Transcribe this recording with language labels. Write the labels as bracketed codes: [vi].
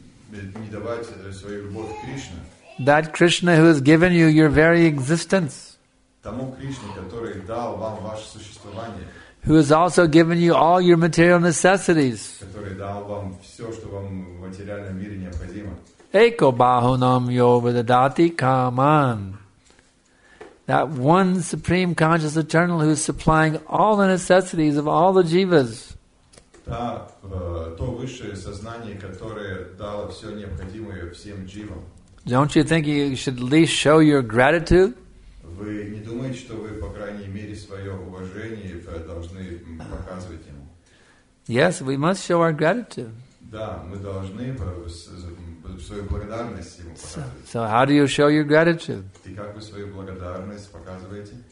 [ru] Не давать свою любовь к Кришне. [en] That Krishna who has given you your very existence. [ru] Тому Кришне, который дал вам ваше существование. [en] Who has also given you all your material necessities. [ru] Который дал вам все, что вам в материальном мире необходимо. [sa] Eko bahunam yo vidadati kaman. [en] That one supreme conscious eternal who is supplying all the necessities of all the jivas. [ru] То высшее сознание, которое дало все необходимое всем дживам. [en] Don't you think you should at least show your gratitude? [ru] Вы не думаете, что вы по крайней мере свое уважение должны показывать ему? [en] Yes, we must show our gratitude. [ru] Да, мы должны свою благодарность ему показывать. [en] So how do you show your gratitude? [ru] И как вы свою благодарность показываете?